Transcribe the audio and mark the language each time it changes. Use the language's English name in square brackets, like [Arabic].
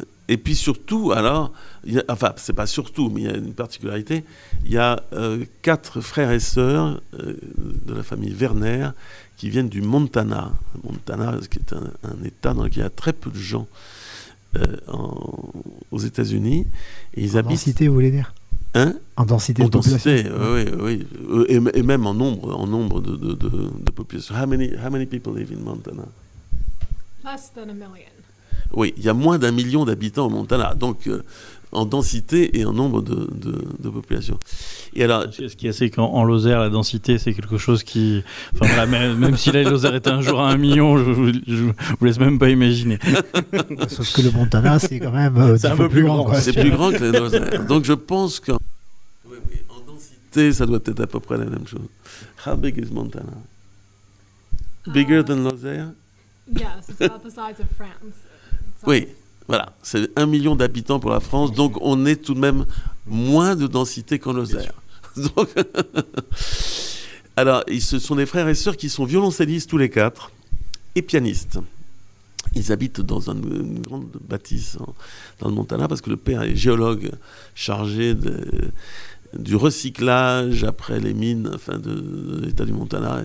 [French] Et puis surtout, alors, c'est pas surtout, mais il y a une particularité, il y a quatre frères et sœurs de la famille Werner qui viennent du Montana. Montana, qui est un état dans lequel il y a très peu de gens aux États-Unis. Et ils habitent... densité, vous voulez dire ? Hein ? En densité en de densité, population. Oui, oui. Et même en nombre de population. [English] How many people live in Montana ? Less than a million. [French] Oui, il y a moins d'un million d'habitants au Montana, donc en densité et en nombre de population. Et alors, ce qui est assez, qu'en Lozère, la densité, c'est quelque chose qui... Enfin, voilà, même si la Lozère était un jour à un million, je vous laisse même pas imaginer. Sauf que le Montana, c'est quand même c'est un peu plus grand. C'est plus grand que la Lozère. Donc je pense qu'en en densité, ça doit être à peu près la même chose. [English] How big is Montana? Bigger than Lozère? Yes, it's about the size of France. [French] Oui, voilà, c'est 1 million d'habitants pour la France, donc on est tout de même moins de densité qu'en Lozère. Donc, alors, ce sont des frères et sœurs qui sont violoncellistes tous les quatre et pianistes. Ils habitent dans une grande bâtisse dans le Montana parce que le père est géologue chargé du recyclage après les mines, enfin, de l'état du Montana.